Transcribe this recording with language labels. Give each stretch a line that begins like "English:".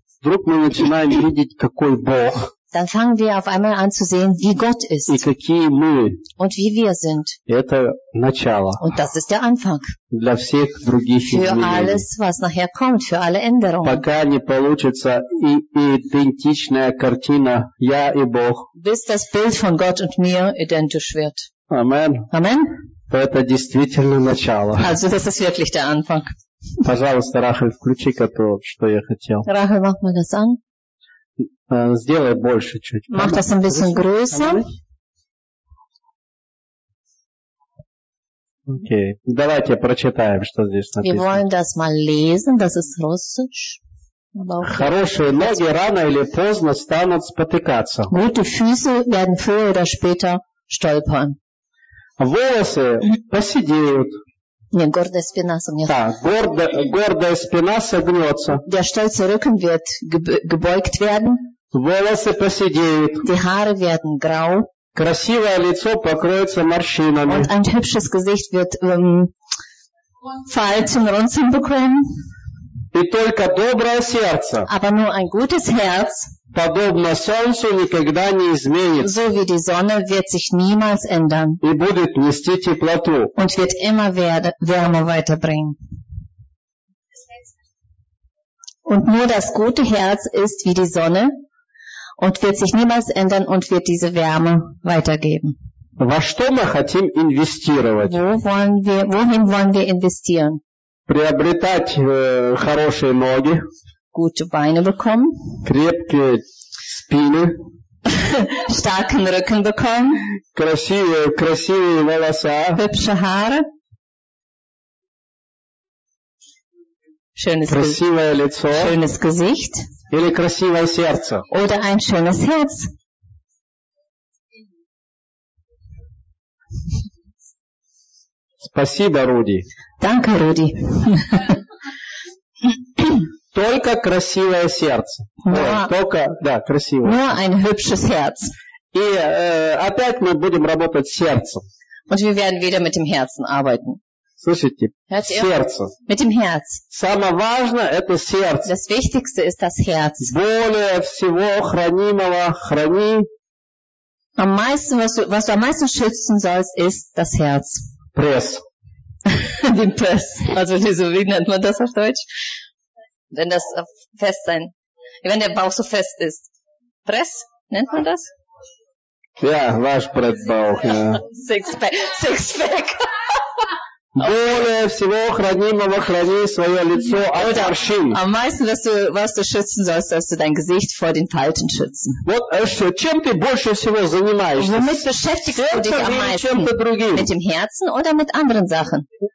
Russian: вдруг мы начинаем видеть, какой Бог.
German: Dann fangen wir auf einmal an zu sehen, wie Gott ist.
Russian: И какие мы.
German: Und wie wir sind.
Russian: Это начало.
German: Und das ist der Anfang.
Russian: Для всех других
German: für
Russian: изменений.
German: Alles, was nachher kommt, für alle Änderungen.
Russian: Пока не получится идентичная картина «Я и Бог».
German: Bis das Bild von Gott und mir identisch wird. Amen. Amen.
Russian: Это действительно начало.
German: Also, das ist wirklich der Anfang.
Russian: Пожалуйста, Рахель, включи то, что я хотел.
German: Рахель, mach mal das an.
Russian: Сделай больше чуть.
German: Mach das ein bisschen größer.
English: Okay.
Russian: Давайте прочитаем, что здесь написано.
German: Wir wollen das mal lesen, das ist Russisch.
Russian: Хорошие ноги рано или поздно станут спотыкаться.
German: Gute Füße werden früher oder später stolpern.
Russian: Волосы поседеют. Не, гордая спина согнется. Так, гордая спина согнется.
German: Der stolze Rücken wird gebeugt werden.
Russian: Волосы поседеют.
German: Die Haare werden grau.
Russian: Красивое лицо покроется морщинами.
German: Und ein hübsches Gesicht wird Falten, Runzeln bekommen.
Russian: И только доброе сердце.
German: Aber nur ein gutes Herz.
Russian: Подобно солнцу никогда не изменится.
German: So wie die Sonne wird sich niemals ändern.
Russian: И будет нести теплоту.
German: Und wird immer Wärme weiterbringen. Und nur das gute Herz ist wie die Sonne und wird sich niemals ändern und wird diese Wärme weitergeben.
Russian: Во что мы хотим инвестировать?
German: Wohin wollen wir investieren?
Russian: Приобретать хорошие ноги.
German: Gute Beine bekommen.
Russian: Крепкие спины.
German: Starken Rücken bekommen.
Russian: Красивые волоса.
German: Hübsche Haare. Schönes
Russian: красивое лицо.
German: Schönes Gesicht.
Russian: Или красивое сердце.
German: Oder ein schönes Herz.
Russian: Спасибо, Руди.
German: Danke, Руди.
Russian: Только красивое сердце. Красивое.
German: Nur ein hübsches Herz.
Russian: И опять мы будем работать с сердцем.
German: Und wir werden wieder mit dem Herzen arbeiten.
Russian: Слышите? Сердце.
German: Mit dem Herz.
Russian: Самое важное – это сердце.
German: Das Wichtigste ist das Herz.
Russian: Более всего хранимого храни.
German: Am meisten, was du am meisten schützen sollst, ist das Herz.
Russian: Пресс.
German: Den Пресс. Also wie nennt man das auf Deutsch? Wenn das fest sein, wenn der Bauch so fest ist. Press, nennt man das? Ja, Waschbrettbauch, ja. Sixpack.
Russian: Более всего хранимого храни свое лицо от морщин.
German: Am meisten, was du schützen sollst, sollst du dein Gesicht vor den Falten schützen.
Russian: Вот чем ты больше всего занимаешься?
German: Womit beschäftigst du dich am meisten? Mit dem Herzen oder mit anderen Sachen?